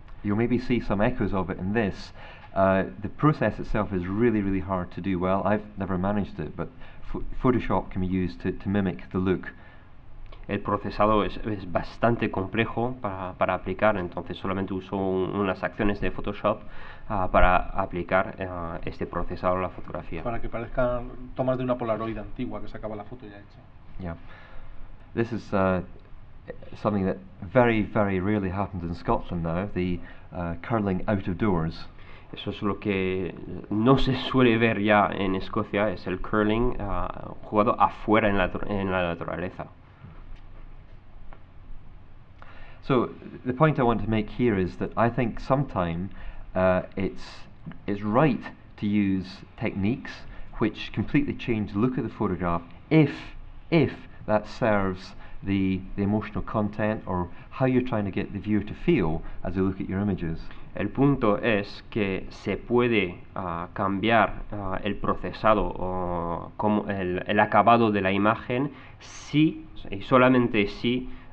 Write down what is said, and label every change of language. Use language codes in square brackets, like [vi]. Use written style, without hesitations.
[en] you'll maybe see some echoes of it in this. The process itself is really, really hard to do well. I've never managed it, but Photoshop can be used to mimic the look. [es] El procesado es bastante complejo para aplicar, entonces solamente uso unas acciones de Photoshop para aplicar este procesado a la fotografía. Para que parezcan tomas de una Polaroid antigua que se acaba la foto ya hecha. Yeah. [en] This is something that very, very rarely happens in Scotland now, the curling out of doors. [es] Eso es lo que no se suele ver ya en Escocia, es el curling jugado afuera en la naturaleza. [en] So, the point I want to make here is that I think sometime it's right to use techniques which completely change the look of the photograph if that serves the emotional content or how you're trying to get the viewer to feel as they look at your images. [es] El punto es que se puede cambiar el procesado o como el acabado de la imagen si y solamente si